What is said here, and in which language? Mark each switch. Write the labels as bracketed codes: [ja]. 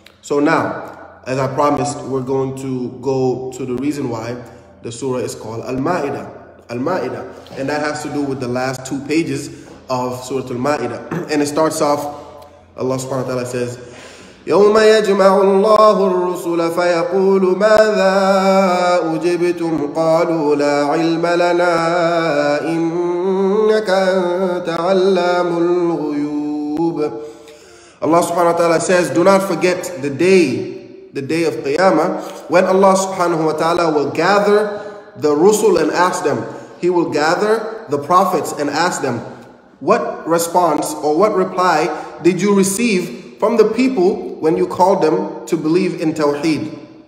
[en] So now, as I promised, we're going to go to the reason why the surah is called Al-Ma'idah. Al-Ma'idah. And that has to do with the last two pages of Surah Al-Ma'idah. And it starts off, [ar] Allah subhanahu wa ta'ala [en] says, [ar] يَوْمَ يَجْمَعُ اللَّهُ الرُّسُلَ فَيَقُولُ مَاذَا أُجِبْتُمْ قَالُوا لَا عِلْمَ لَنَا إِنَّكَ أَنْتَ عَلَّامُ الْغُيُوبِ. [en] Allah subhanahu wa ta'ala says, do not forget the day of Qiyamah, when Allah subhanahu wa ta'ala will gather the Rusul and ask them, he will gather the prophets and ask them, what response or what reply did you receive from the people when you called them to believe in Tawheed?